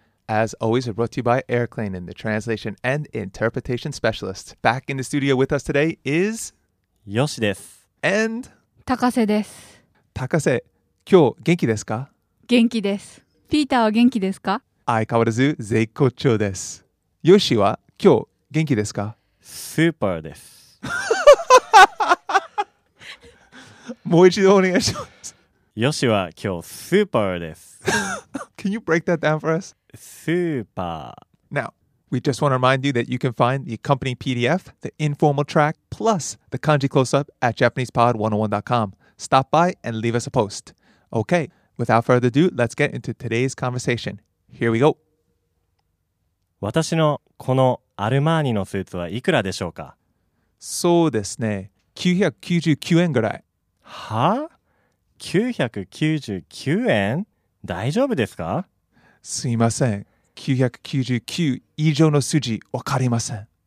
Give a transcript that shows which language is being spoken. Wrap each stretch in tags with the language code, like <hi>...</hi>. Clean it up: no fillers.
<en>As always, brought to you by Eric Lane, the translation and interpretation specialist. Back in the studio with us today is</en> <ja>Yoshi です。</ja> <en>And</en> <ja>Takase です。 Takase, 今日元気ですか？元気です。 Peter は元気ですか？相変わらず絶好調です。Yoshi は今日元気ですか？ Super です。もう一度お願いします。 Yoshi は今日 Super です。</ja> <en>Can you break that down for us? Super. Now, we just want to remind you that you can find the accompanying PDF, the informal track, plus the kanji close-up at JapanesePod101.com. Stop by and leave us a post. Okay, without further ado, let's get into today's conversation. Here we go.</en> <ja>私のこのアルマーニのスーツはいくらでしょうか？そうですね。999円ぐらい。は？999 円？大丈夫ですか？すいません。 999以上の数字わかりません。</ja>